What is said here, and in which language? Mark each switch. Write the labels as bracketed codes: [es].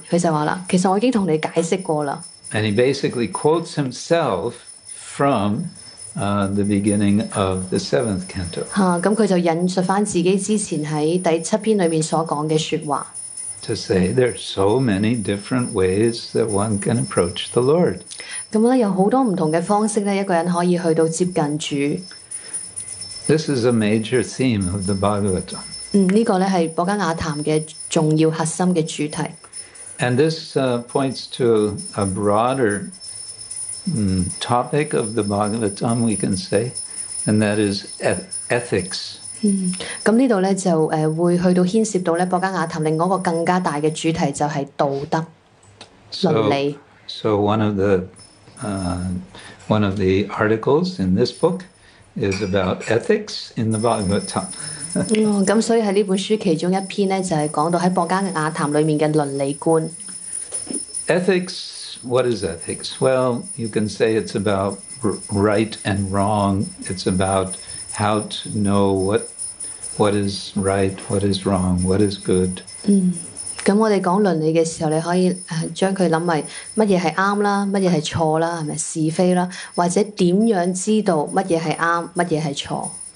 [yue] 佢就話啦：，其實我已經同你解釋過啦。 [en] And he basically quotes himself from the beginning of the seventh canto. [yue] 咁佢就引述翻自己之前喺第七篇裏面所講嘅説話。 [en] To say there are so many different ways that one can approach the Lord. [yue] 咁咧有好多唔同嘅方式咧，一個人可以去到接近主。 [en] This is a major theme of the Bhagavatam. [yue] 呢個咧係《博伽瓦談》嘅重要核心嘅主題。 [en] And this points to a broader topic of the Bhagavatam, we can say, and that is ethics. [yue] 咁呢度咧就會去到牽涉到咧《博伽瓦談》另外一個更加大嘅主題，就係道德倫理。 [en] So one of the articles in this book is about ethics in the Bhagavatam. [yue] 咁所以喺呢本書其中一篇咧，就係講到喺《博伽瓦談》裡面嘅倫理觀。 [en] Ethics, what is ethics? Well, you can say it's about right and wrong. It's about how to know what is right, what is wrong, what is good. [yue] 咁我哋講倫理嘅時候，你可以將佢諗為乜嘢係啱啦，乜嘢係錯啦，係咪是非啦，或者點樣知道乜嘢係啱，乜嘢係錯？